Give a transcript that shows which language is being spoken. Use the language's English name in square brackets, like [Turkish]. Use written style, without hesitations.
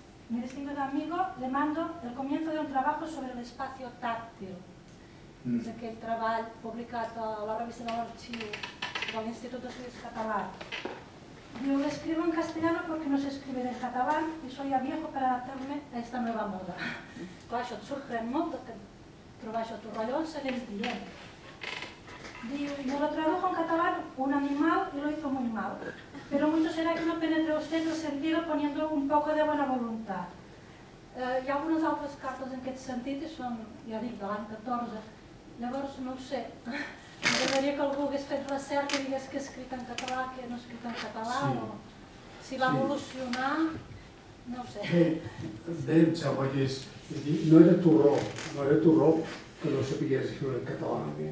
[Spanish] Mi distinguido amigo, le mando el comienzo de un trabajo sobre el espacio táctil. [Catalan] És aquell treball publicat a la revista de l'Arxiu de l'Institut d'Estudis Catalans. [Spanish] Diu, l'escribo en castellano porque no sé escribir en català i soy a viejo para adaptarme a esta nueva moda. [Catalan] Clar, això et sorprèn molt que trobar això a Torrellón segueix dient. [Spanish] Diu, me lo tradujo en català un animal i lo hizo muy mal. Pero mucho será que no penetre usted el sentido poniendo un poco de buena voluntad. [Catalan] Hi ha algunes altres cartes en aquest sentit i són, ja dic, de l'any 14. Llavors, no ho sé, m'agradaria que algú hagués fet recerca i digués que ha escrit en català, que no ha escrit en català, sí. O si va evolucionar, no ho sé. Bé, em sembla que és, no era Turró, que no sapigués escriure en català.